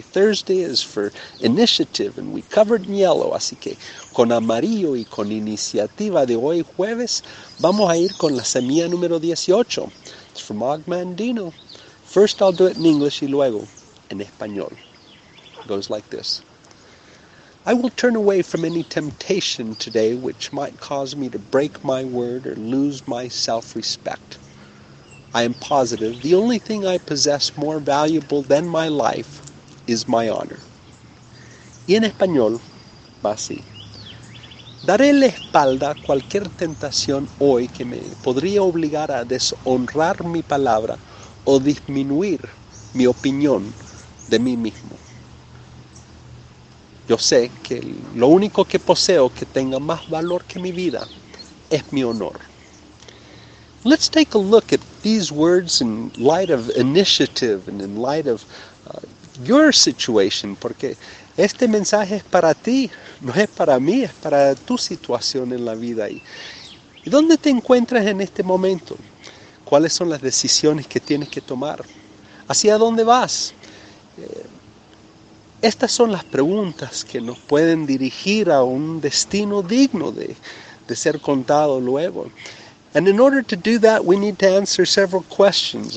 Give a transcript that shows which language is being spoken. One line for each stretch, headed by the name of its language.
English: Thursday is for initiative, and we covered in yellow.
Spanish: Así que con amarillo y con iniciativa de hoy, jueves, vamos a ir con la semilla número 18.
English: It's from Ogmandino. First I'll do it in English
Spanish: y luego en español.
English: It goes like this. I will turn away from any temptation today which might cause me to break my word or lose my self-respect. I am positive the only thing I possess more valuable than my life is my honor.
Spanish: Y en español va así. Daré la espalda a cualquier tentación hoy que me podría obligar a deshonrar mi palabra o disminuir mi opinión de mí mismo. Yo sé que lo único que poseo que tenga más valor que mi vida es mi honor.
English: Let's take a look at these words in light of initiative and in light of your situation,
Spanish: porque este mensaje es para ti, no es para mí, es para tu situación en la vida. ¿Y dónde te encuentras en este momento? ¿Cuáles son las decisiones que tienes que tomar? ¿Hacia dónde vas? Estas son las preguntas que nos pueden dirigir a un destino digno de ser contado luego.
English: And in order to do that, we need to answer several questions.